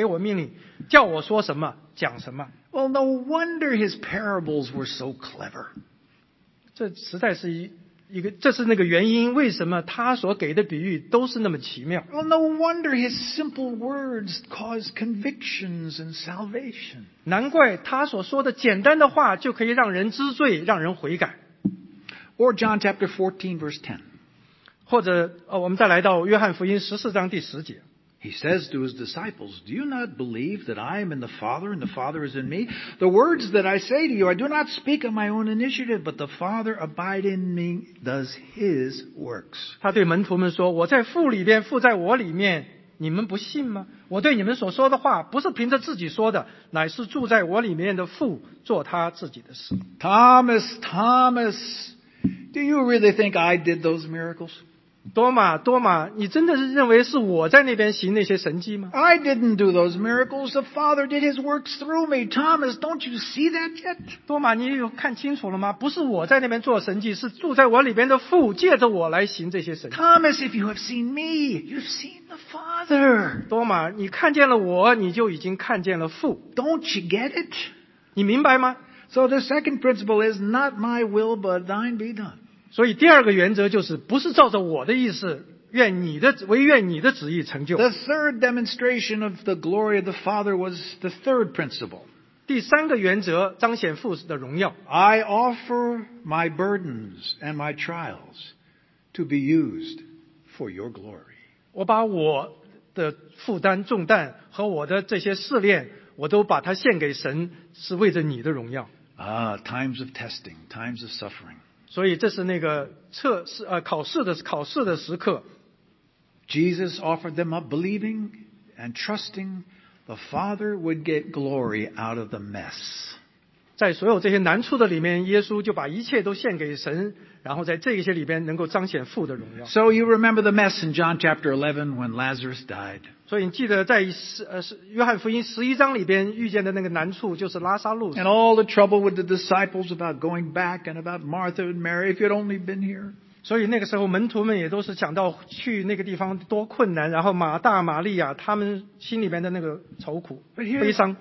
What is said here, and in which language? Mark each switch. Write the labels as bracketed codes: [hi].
[zh] 再一次说到这件事情，因为我没有凭自己讲，唯有差我来的父已经给我命令，叫我说什么，讲什么。 [en] Well, no wonder his parables were so clever. [zh] 这实在是一个，这是那个原因，为什么他所给的比喻都是那么奇妙。 [en] Well, no wonder his simple words cause convictions and salvation. [zh] 难怪他所说的简单的话就可以让人知罪，让人悔改。 [en] Or John chapter 14 verse 10. [zh] 或者我们再来到约翰福音十四章第十节。 [en] He says to his disciples, Do you not believe that I am in the Father and the Father is in me? The words that I say to you, I do not speak of my own initiative, but the Father abide in me, does his works. [zh] 他对门徒们说，我在父里边，父在我里面，你们不信吗？我对你们所说的话，不是凭着自己说的，乃是住在我里面的父，做他自己的事。 [en] Thomas, Thomas, do you really think I did those miracles? [zh] 多玛，多玛，你真的是认为是我在那边行那些神迹吗 [en] ？I didn't do those miracles. The Father did His works through me. Thomas, don't you see that yet? [zh] 多玛，你有看清楚了吗？不是我在那边做神迹，是住在我里边的父借着我来行这些神迹。 [en] Thomas, if you have seen me, you've seen the Father. [zh] 多玛，你看见了我，你就已经看见了父。 [en] Don't you get it? [zh] 你明白吗 [en] ？So the second principle is not my will, but thine be done. [zh] 所以第二个原则就是不是照着我的意思愿你的唯愿你的旨意成就。 [en] The third demonstration of the glory of the Father was the third principle. [zh] 第三个原则彰显父的荣耀。 [en] I offer my burdens and my trials to be used for your glory. [zh] 我把我的负担重担和我的这些试炼我都把它献给神是为着你的荣耀。 [en] Ah, times of testing, times of suffering. [zh] 所以这是那个测试考试的考试的时刻。 [en] Jesus offered them up believing and trusting the Father would get glory out of the mess. [zh] 在所有这些难处的里面耶稣就把一切都献给神然后在这些里边能够彰显父的荣耀。 [en] So you remember the mess in John chapter 11 when Lazarus died. [zh] 所以你记得在约翰福音十一章里边遇见的那个难处就是拉撒路。 [en] And all the trouble with the disciples about going back and about Martha and Mary if you'd only been here. [zh] 所以那个时候门徒们也都是想到去那个地方多困难然后马大玛利亚他们心里边的那个愁苦悲伤。